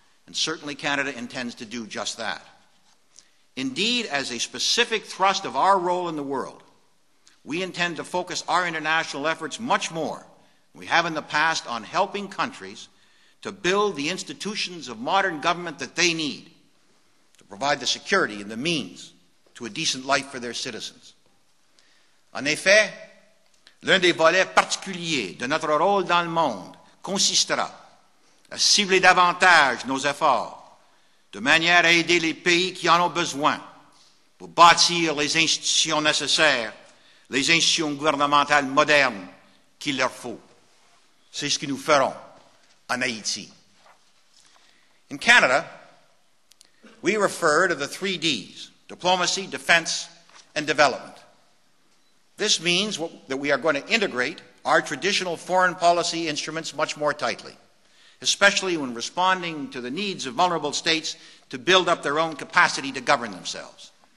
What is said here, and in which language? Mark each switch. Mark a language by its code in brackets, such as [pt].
[en] And certainly Canada intends to do just that. Indeed, as a specific thrust of our role in the world, we intend to focus our international efforts much more than we have in the past on helping countries to build the institutions of modern government that they need to provide the security and the means to a decent life for their citizens. [fr] En effet, l'un des volets particuliers de notre rôle dans le monde consistera à cibler davantage nos efforts de manière à aider les pays qui en ont besoin pour bâtir les institutions nécessaires, les institutions gouvernementales modernes qu'il leur faut. C'est ce que nous ferons. [en] In Canada, we refer to the three Ds, diplomacy, defense, and development. This means that we are going to integrate our traditional foreign policy instruments much more tightly, especially when responding to the needs of vulnerable states to build up their own capacity to govern themselves.